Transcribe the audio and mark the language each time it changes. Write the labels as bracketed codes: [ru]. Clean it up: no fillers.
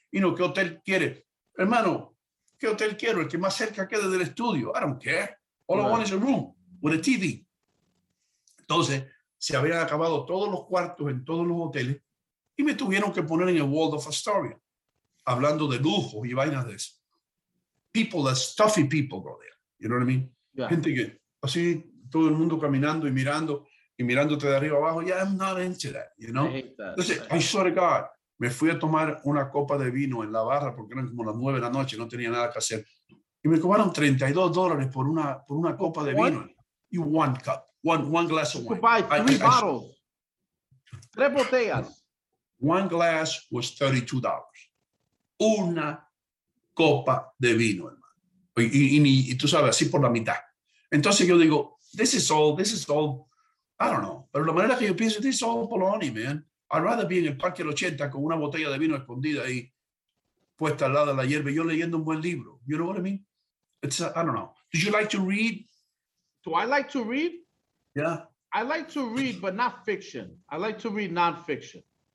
[es] Pino, ¿qué hotel quieres? Hermano, ¿qué hotel quiero? El que más cerca quede del estudio. [en] I don't care. All I want is a room with a TV. [es] Entonces, se habían acabado todos los cuartos en todos los hoteles y me tuvieron que poner en el Waldorf Astoria, hablando de lujo y vainas de eso. [en] People, that stuffy people go there, you know what I mean? [es] Yeah. Gente que, así, todo el mundo caminando y mirándote de arriba abajo, yeah, [en] I'm not into that, you know? [es] Entonces, [en] I swear to God, [es] me fui a tomar una copa de vino en la barra, porque eran como las 9 de la noche, no tenía nada que hacer, y me cobraron $32 por una copa de vino. [en] Y one cup, one glass of wine. Buy three bottles. [es] Tres botellas. [en] One glass was $32. [es] Una copa de vino, hermano. Y tú sabes, así por la mitad. Entonces yo digo, [en] this is all, I don't know. [es] Pero la manera que yo pienso, [en] this is all baloney, man. I'd rather be in [es] el Parque del 80 con una botella de vino escondida ahí, puesta al lado de la hierba, yo leyendo un buen libro. [en] You know what I mean? I don't know. Did you like to read? Do I like to read? Yeah. I like to read, but not fiction. I like to read nonfiction.